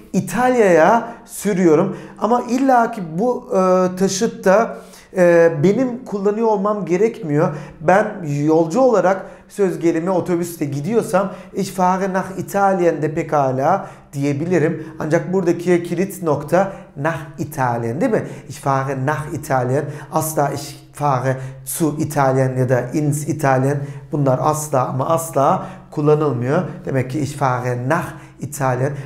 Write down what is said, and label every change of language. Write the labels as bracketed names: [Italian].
[Turkish] İtalya'ya sürüyorum. Ama illaki bu taşıtta benim kullanıyor olmam gerekmiyor. Ben yolcu olarak söz gelimi otobüste gidiyorsam [German] ich fahre nach Italien [Turkish] de pekala diyebilirim. Ancak buradaki kilit nokta [German] nach Italien [Turkish] değil mi? [German] Ich fahre nach Italien. [Turkish] Asla [German] ich fahre zu Italien [Turkish] ya da [German] ins Italien. [Turkish] Bunlar asla ama asla kullanılmıyor. Demek ki [German] ich fahre nach Italien.